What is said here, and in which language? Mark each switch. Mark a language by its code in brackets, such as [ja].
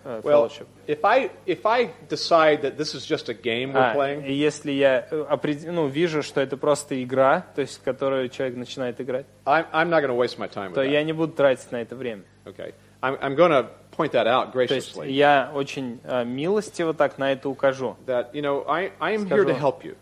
[en] well, if I decide that this is just a game we're playing, [ru] если я вижу, что это просто игра, то есть которую человек начинает играть, [en] I'm not going to waste my time. [ru] То я не буду тратить на это время. [en] Okay, I'm going to point that out graciously. [ru] То есть я очень милостиво так на это укажу. [en] That you know, I'm here to help you.